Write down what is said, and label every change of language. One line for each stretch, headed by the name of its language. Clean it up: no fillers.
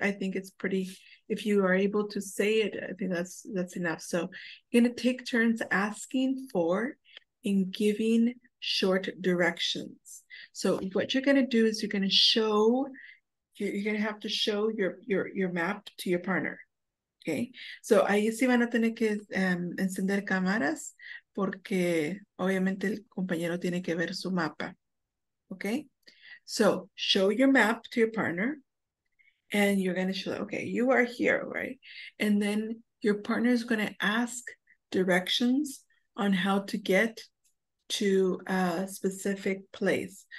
English: I think it's pretty, if you are able to say it, I think that's enough. So you're going to take turns asking for and giving short directions. So what you're going to do is you're going to have to show your map to your partner. Okay.
Spanish: So ahí sí van a tener que encender cámaras porque obviamente el compañero tiene que ver su mapa.
English: Okay, so show your map to your partner and you're going to show, okay, you are here, right? And then your partner is going to ask directions on how to get to a specific place.